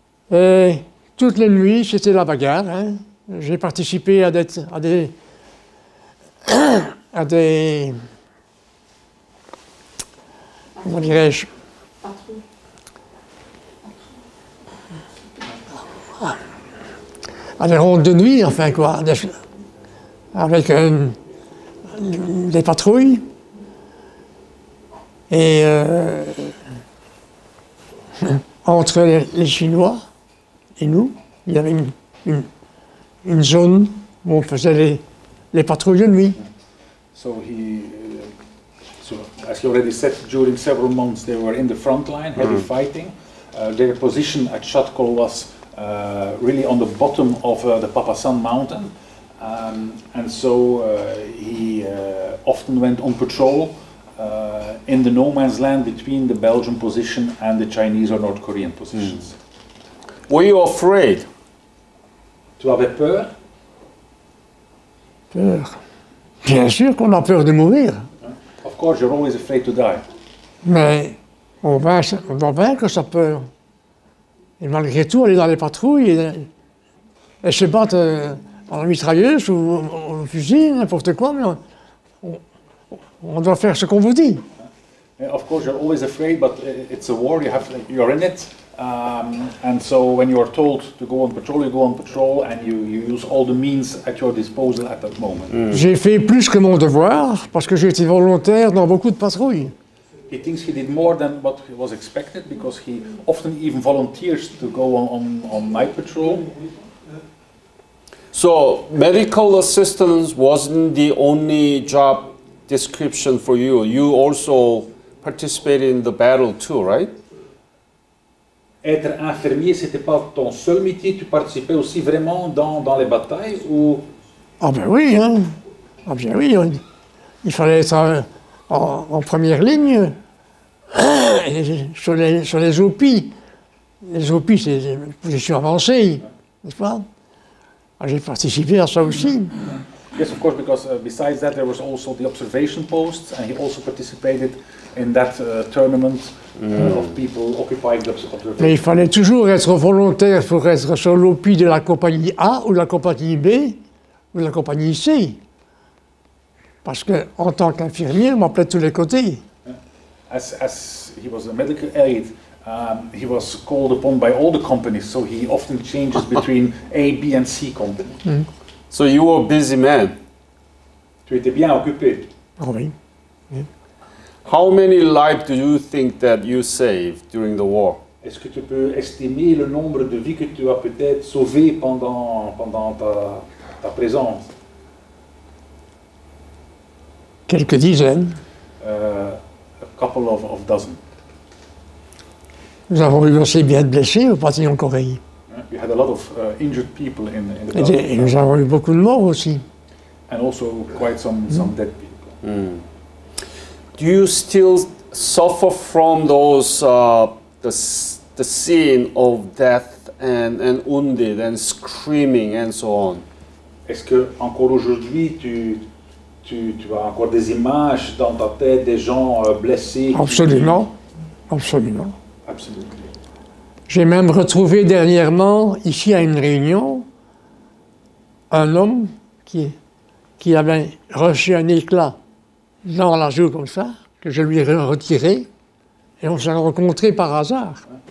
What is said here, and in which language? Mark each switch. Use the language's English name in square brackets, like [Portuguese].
[French] Et toutes les nuits, c'était la bagarre. Hein. J'ai participé à des rondes de nuit, enfin quoi, avec des patrouilles. Et entre les Chinois et nous, il y avait une zone où on faisait les patrouilles de nuit. [English] So as you already said, during several months they were in the front line, heavy fighting. Their position at Chatkol was really on the bottom of the Papasan mountain. And so he often went on patrol in the no man's land between the Belgian position and the Chinese or North Korean positions. Mm. Were you afraid? [French] Tu avais peur? Peur. Bien sûr qu'on a peur de mourir. [English] Of course, you're always afraid to die. [French] Mais on va vaincre sa peur. Et malgré tout, aller dans les patrouilles et se battre en mitrailleuse ou en fusil, n'importe quoi, mais on doit faire ce qu'on vous dit. [English] Of course, you're always afraid, but it's a war, you're in it. And so when you are told to go on patrol, you go on patrol and you use all the means at your disposal at that moment. Mm. [French] J'ai fait plus que mon devoir parce que j'ai été volontaire dans beaucoup de patrouilles. [English] He thinks he did more than what was expected because he often even volunteers to go on night patrol. So medical assistance wasn't the only job description for you. You also participated in the battle too, right? [French] Être infirmier, ce n'était pas ton seul métier, tu participais aussi vraiment dans les batailles ou... Ah ben oui, hein. Ah bien oui, il fallait être en première ligne, sur les oupis. Les oupis, c'est une position avancée, n'est-ce pas? Alors, j'ai participé à ça aussi. [English] Yes, of course, because besides that, there was also the observation posts, and he also participated in that tournament of people occupying the observation. [French] Mais il fallait toujours être volontaire pour être sur l'OPI de la compagnie A ou la compagnie B ou la compagnie C. Parce que en tant qu'infirmier, on m'appelait de tous les côtés. [English] As he was a medical aide, he was called upon by all the companies, so he often changes between A, B and C company. Mm. So you were a busy man. [French] Tu étais bien occupé. Oh, oui. [English] How many lives do you think that you saved during the war? [French] Est-ce que tu peux estimer le nombre de vies que tu as peut-être sauvées pendant ta présence? Quelques dizaines. [English] A couple of dozen. [French] Nous avons eu aussi bien de blessés au bataillon Corée. [English] We had a lot of injured people in the [French] battle. Et nous avons eu beaucoup de morts aussi. [English] And also quite some dead people. Mm. Do you still suffer from those the scene of death and wounded and screaming and so on? [French] Est-ce que encore aujourd'hui tu as encore des images dans ta tête des gens blessés? Absolument. Absolument. [English] Absolutely. [French] J'ai même retrouvé dernièrement, ici à une réunion, un homme qui avait reçu un éclat dans la joue comme ça, que je lui ai retiré, et on s'est rencontré par hasard.